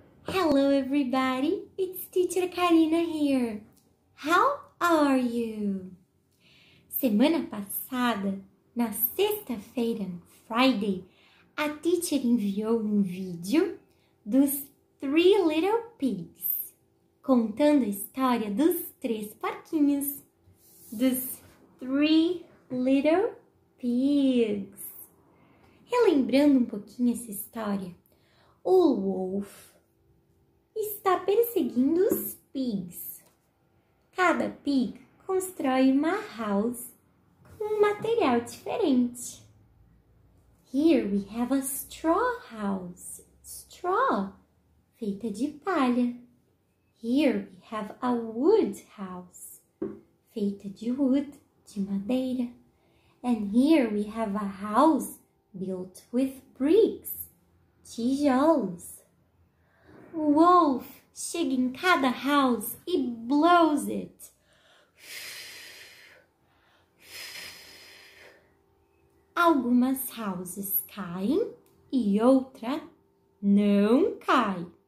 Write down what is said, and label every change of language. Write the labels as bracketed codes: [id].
[en] Hello everybody, it's teacher Karina here. How are you? [pt] Semana passada, na sexta-feira, Friday, a teacher enviou vídeo dos Three Little Pigs, contando a história dos três porquinhos. Dos Three Little Pigs. Relembrando um pouquinho essa história, o Wolf está perseguindo os pigs. Cada pig constrói uma house com um material diferente. [en] Here we have a straw house. Straw, [pt] feita de palha. [en] Here we have a wood house, feita de wood, [pt] de madeira. [en] And here we have a house built with bricks, tijolos. [pt] Wolf chega em cada house e [en] blows it. [pt] Algumas houses caem e outra não cai.